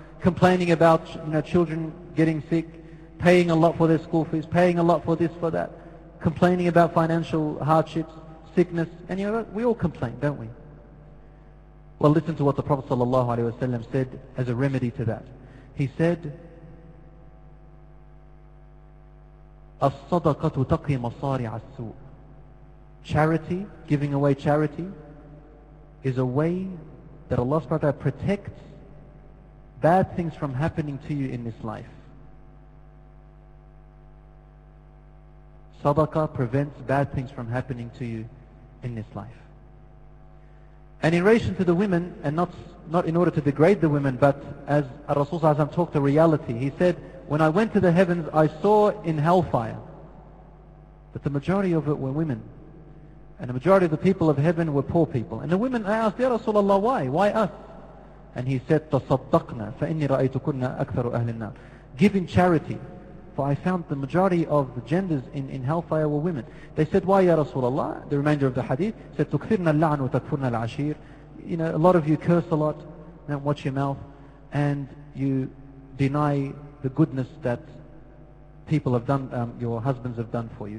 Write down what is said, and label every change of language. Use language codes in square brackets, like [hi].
[en] Complaining about, you know, children getting sick, paying a lot for their school fees, paying a lot for this, for that? Complaining about financial hardships, sickness? Any of us? We all complain, don't we? Well, listen to what the Prophet ﷺ said as a remedy to that. [ar] He said, الصدقة تقي مصارع السوء. [en] Charity, giving away charity, is a way that Allah subhanahu wa ta'ala protects bad things from happening to you in this life. Sadaqah prevents bad things from happening to you in this life. And in relation to the women, and not in order to degrade the women, but as Rasulullah talked to reality, he said, when I went to the heavens, I saw in hellfire that the majority of it were women. And the majority of the people of heaven were poor people. And the women, I asked, Ya Rasulullah, why? Why us? [ar] And he said, تصدقنا فإني رأيتكن أكثر أهل النار. [en] Giving charity. For I found the majority of the genders in hellfire were women. They said, why ya Rasulullah? The remainder of the hadith said, [ar] تكثرنا اللعن وتكفرنا العشير. [en] You know, a lot of you curse a lot, don't watch your mouth, and you deny the goodness that people have done, your husbands have done for you.